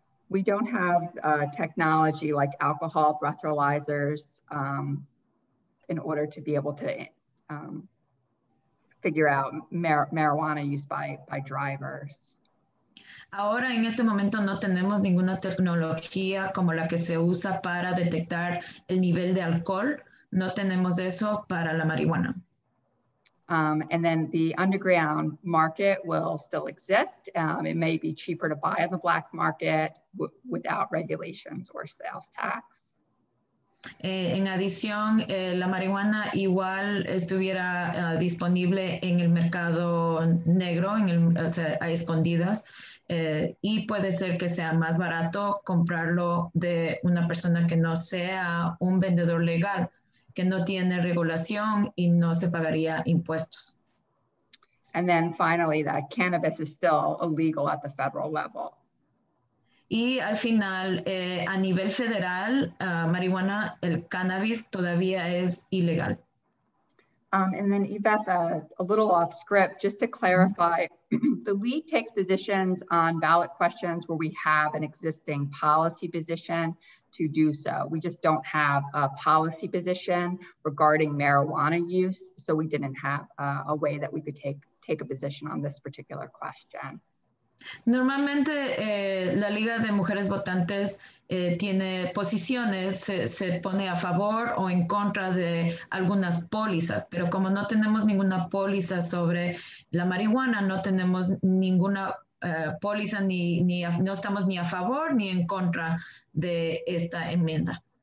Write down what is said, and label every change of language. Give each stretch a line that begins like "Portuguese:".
English: We don't have technology like alcohol breathalyzers in order to be able to figure out marijuana use by drivers.
Spanish: Ahora, en este momento, no tenemos ninguna tecnología como la que se usa para detectar el nivel de alcohol. No tenemos eso para la marihuana.
English: And then the underground market will still exist. It may be cheaper to buy on the black market without regulations or sales tax.
Spanish: En adición, la marihuana igual estuviera disponible en el mercado negro, a escondidas. Y puede ser que sea más barato comprarlo de una persona que no sea un vendedor legal, que no tiene regulación y no se pagaría impuestos.
English: And then finally, that cannabis is still illegal at the federal level.
Spanish: Y al final, a nivel federal, marihuana, el cannabis todavía es ilegal.
English: And then Iveth, a little off script, just to clarify, the LUPE takes positions on ballot questions where we have an existing policy position to do so. We just don't have a policy position regarding marijuana use, so we didn't have a way that we could take a position on this particular question.
Spanish: Normalmente, la Liga de Mujeres Votantes tiene posiciones, se pone a favor o en contra de algunas pólizas, pero como no tenemos ninguna póliza sobre la marihuana, no tenemos ninguna póliza, no estamos ni a favor ni en contra de esta enmienda.